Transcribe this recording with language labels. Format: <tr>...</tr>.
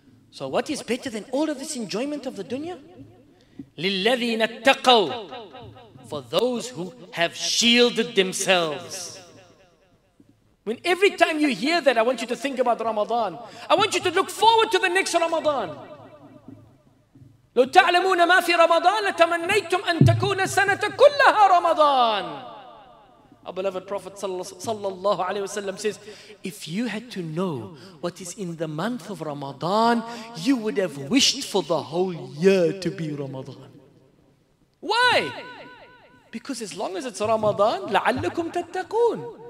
<en>So what is better than all of this enjoyment of the dunya?</en> <ar>لِلَّذِينَ اتَّقَوْا.</ar> <en>For those who have shielded themselves. When every time you hear that, I want you to think about Ramadan. I want you to look forward to the next Ramadan.</en> <ar>لو تعلمون ما في رمضان لتمنيتم أن تكون سنة كلها رمضان.</ar> <en>Our beloved Prophet sallallahu alaihi wasallam says, if you had to know what is in the month of Ramadan, you would have wished for the whole year to be Ramadan. Why? Because as long as it's Ramadan,</en> <ar>لَعَلَّكُمْ تَتَّقُونَ.</ar>